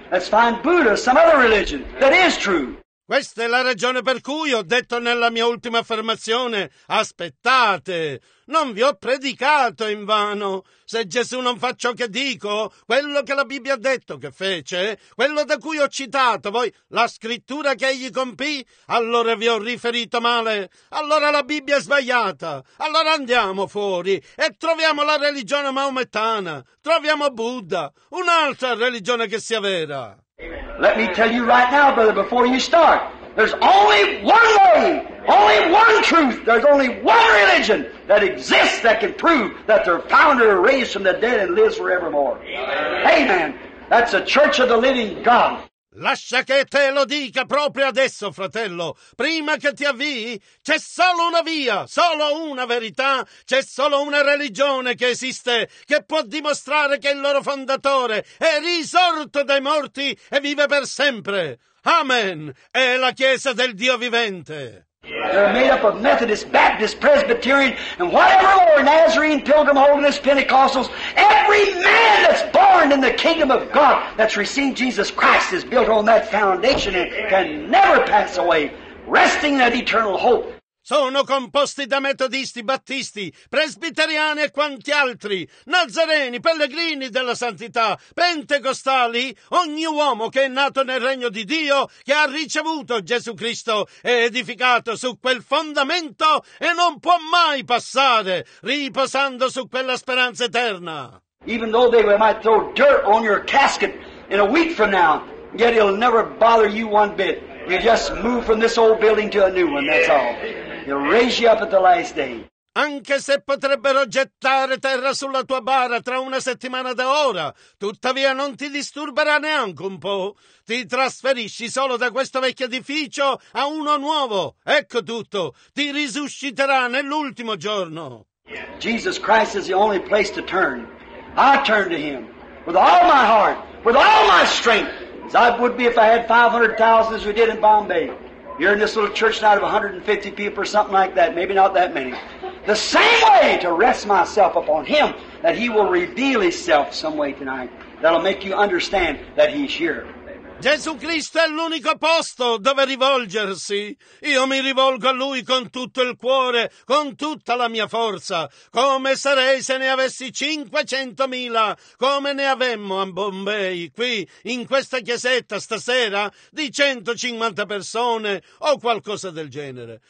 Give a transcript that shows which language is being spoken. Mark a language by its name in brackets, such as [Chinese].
[English] Let's find Buddha, some other religion that is true. [Italian] Questa è la ragione per cui ho detto nella mia ultima affermazione, aspettate, non vi ho predicato in vano. Se Gesù non fa ciò che dico, quello che la Bibbia ha detto che fece, quello da cui ho citato voi la scrittura che egli compì, allora vi ho riferito male, allora la Bibbia è sbagliata, allora andiamo fuori e troviamo la religione maomettana, troviamo Buddha, un'altra religione che sia vera. [English] Let me tell you right now, brother, before you start, there's only one way, only one truth, there's only one religion that exists that can prove that their founder raised from the dead and lives forevermore. Amen. Amen. That's the Church of the Living God. [Italian] Lascia che te lo dica proprio adesso, fratello, prima che ti avvii, c'è solo una via, solo una verità, c'è solo una religione che esiste, che può dimostrare che il loro fondatore è risorto dai morti e vive per sempre. Amen. È la Chiesa del Dio vivente. [English] They're made up of Methodist, Baptist, Presbyterian, and whatever more, Nazarene, Pilgrim, Holiness, Pentecostals. Every man that's born in the kingdom of God, that's received Jesus Christ, is built on that foundation and can never pass away, resting in that eternal hope. [Italian] Sono composti da metodisti, battisti, presbiteriani e quanti altri, nazareni, pellegrini della santità, pentecostali, ogni uomo che è nato nel regno di Dio, che ha ricevuto Gesù Cristo, è edificato su quel fondamento e non può mai passare, riposando su quella speranza eterna. [English] Even though they might throw dirt on your casket in a week from now, yet it'll never bother you one bit. You just move from this old building to a new one, that's all. He'll raise you up at the last day. [Italian] Anche se potrebbero gettare terra sulla tua bara tra una settimana da ora, tuttavia non ti disturberà neanche un po'. Ti trasferisci solo da questo vecchio edificio a uno nuovo. Ecco tutto. Ti risusciterà nell'ultimo giorno. [English] Jesus Christ is the only place to turn. I turn to him with all my heart, with all my strength, as I would be if I had 500,000 as we did in Bombay. You're in this little church tonight of 150 people or something like that, maybe not that many. The same way to rest myself upon him, that he will reveal himself some way tonight, that'll make you understand that he's here. [Italian] Gesù Cristo è l'unico posto dove rivolgersi. Io mi rivolgo a Lui con tutto il cuore, con tutta la mia forza, come sarei se ne avessi 500.000, come ne avemmo a Bombay, qui, in questa chiesetta stasera, di 150 persone o qualcosa del genere.